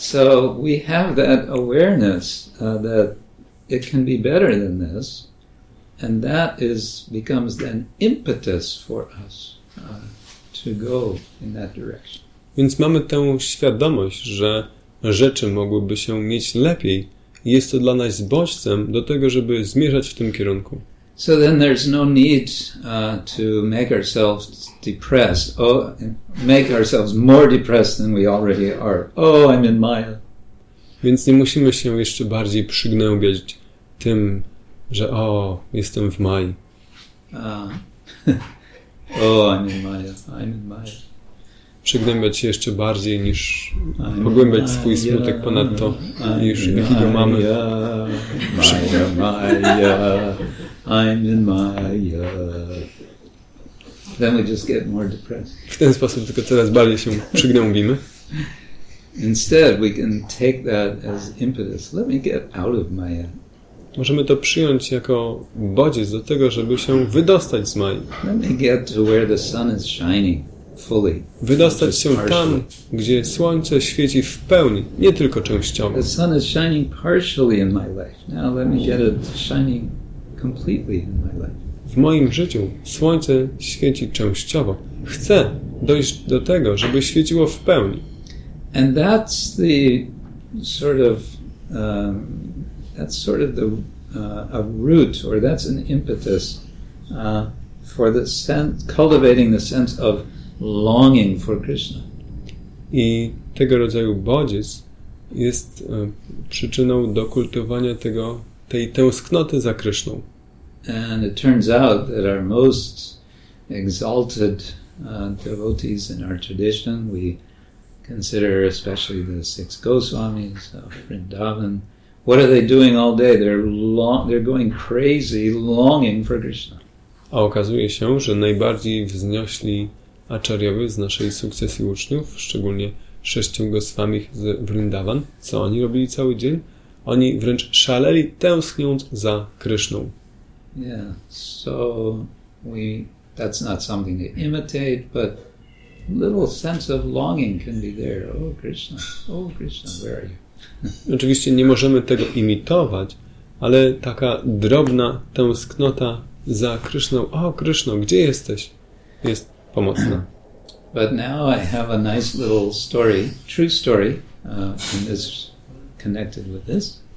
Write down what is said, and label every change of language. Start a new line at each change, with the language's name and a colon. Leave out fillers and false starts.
English: So we have that awareness that it can be better than this, and that becomes an impetus for us to go in that direction.
Polish: Więc mamy tę świadomość, że rzeczy mogłyby się mieć lepiej. Jest to dla nas bodźcem do tego, żeby zmierzać w tym kierunku.
English: So then there's no need to make ourselves depressed. Oh, make ourselves more depressed than we already are. Oh, I'm in Maya.
Polish: Więc nie musimy się jeszcze bardziej przygnębiać tym, że o, jestem w Maji.
English: Oh, I'm in Maya. I'm in Maya.
Polish: przygnębiać się jeszcze bardziej niż pogłębiać swój smutek ponad to, niż jaki go mamy.
English: Maja, Maja, I'm in Maja. Then we just get more depressed.
Polish: W ten sposób tylko coraz bardziej się przygnębimy.
English: Instead, we can take that as impetus. Let me get out of Maya.
Polish: Możemy to przyjąć jako bodziec do tego, żeby się wydostać z Maji.
English: Let me get to where the sun is shining fully.
Polish: Wydostać się tam, gdzie słońce świeci w pełni, nie tylko częściowo.
English: The sun is shining partially in my life. Now let me get it shining completely in my life.
Polish: W moim życiu słońce świeci częściowo. Chcę dojść do tego, żeby świeciło w pełni.
English: And that's the sort of a root, or that's an impetus for the sense, cultivating the sense of longing for Krishna.
Polish: I tego rodzaju bodziec jest przyczyną do kultywowania tego, tej tęsknoty za Krishną.
English: And it turns out that our most exalted devotees in our tradition, we consider especially the six Goswamis of Vrindavan. What are they doing all day? They're going crazy longing for Krishna.
Polish: A okazuje się, że najbardziej wzniośli acharyowie z naszej sukcesji uczniów, szczególnie sześciu Goswami z Vrindavan, co oni robili cały dzień? Oni wręcz szaleli, tęskniąc za Krishną.
English: Yeah, so we, that's not something to imitate, but little sense of longing can be there. Oh Krishna, where are you?
Polish: Oczywiście nie możemy tego imitować, ale taka drobna tęsknota za Krishną, o Krishna, gdzie jesteś, jest pomocna.
English: But now I have a nice little story, true story, and is connected with this.